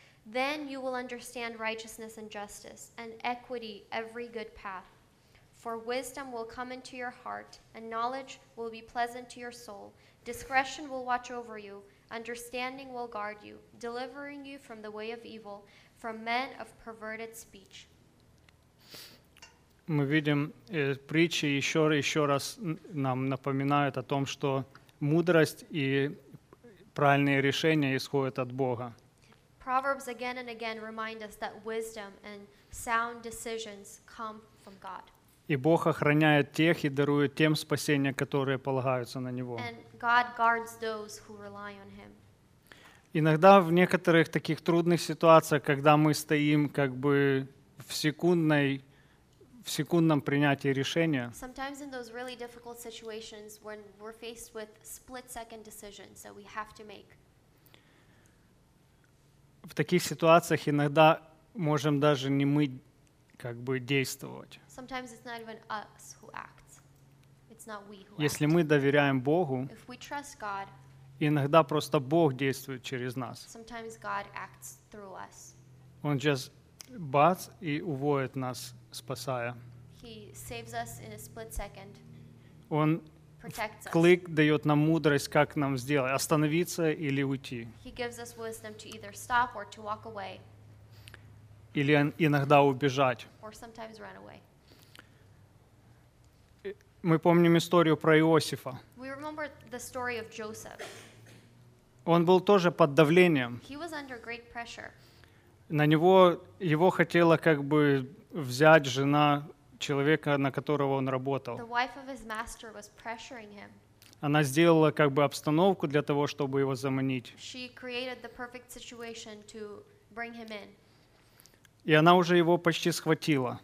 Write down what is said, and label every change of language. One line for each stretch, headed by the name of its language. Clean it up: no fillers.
English: Then you will understand righteousness and justice, and equity every good path. For wisdom will come into your heart, and knowledge will be pleasant to your soul. Discretion will watch over you, understanding will guard you, delivering you from the way of evil, from men of perverted speech.
Russian: Мы видим, притчи еще раз нам напоминают о том, что мудрость и правильные решения исходят от Бога.
English: Proverbs again and again remind us that wisdom and sound decisions come from God.
Russian: И Бог охраняет тех и дарует тем спасение, которые полагаются на Него.
English: And God guards those who rely on Him.
Russian: Иногда в некоторых таких трудных ситуациях, когда мы стоим как бы в секундном принятии решения,
English: sometimes in those really difficult situations when we're faced with split-second decisions that we have to make,
Russian: в таких ситуациях иногда можем даже не мы как бы действовать.
English: Sometimes it's not even us who acts. It's not we who
Russian: Если
English: act.
Russian: Мы доверяем Богу,
English: If we trust God,
Russian: иногда просто Бог действует через нас.
English: Sometimes God acts through us.
Russian: Он just бац и уводит нас, спасая.
English: He saves us in a split second.
Russian: Он клик дает нам мудрость, как нам сделать, остановиться или уйти.
English: He gives us wisdom to either stop or to walk away.
Russian: Или иногда убежать.
English: Or sometimes run away.
Russian: Мы помним историю про Иосифа.
English: We remember the story of Joseph.
Russian: Он был тоже под давлением.
English: He was under great pressure.
Russian: На него, его хотела как бы взять жена человека, на которого он работал.
English: The wife of his master was pressuring him.
Russian: Она сделала как бы обстановку для того, чтобы его заманить.
English: She created the perfect situation to bring him in.
Russian: И она уже его почти схватила.